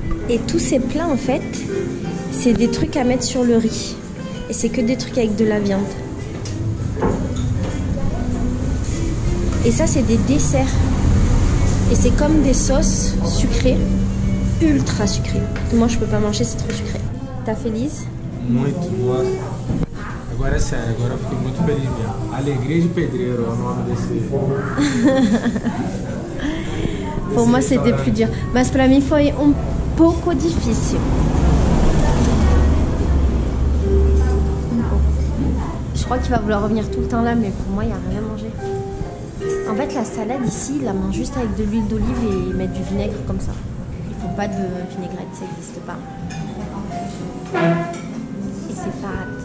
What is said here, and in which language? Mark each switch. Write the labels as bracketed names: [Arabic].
[French] Et tous ces plats, en fait, c'est des trucs à mettre sur le riz. Et c'est que des trucs avec de la viande. Et ça, c'est des desserts. Et c'est comme des sauces sucrées, ultra sucrées. Moi, je peux pas manger, c'est trop sucré. T'as fait Lise? [Portuguese] Muito boa. Agora sim, agora eu fiquei muito feliz mesmo. Alegria de pedreiro, é o nome desse. [French] Pour moi, c'était plus dur. [Portuguese] Mas para mim foi um pouco difícil. [French] Je crois qu'il va vouloir revenir tout le temps là, mais pour moi, il n'y a rien à manger. En fait, la salade ici, ils la mangent juste avec de l'huile d'olive et ils mettent du vinaigre comme ça. Il ne faut pas de vinaigrette, ça n'existe pas. Et c'est pas...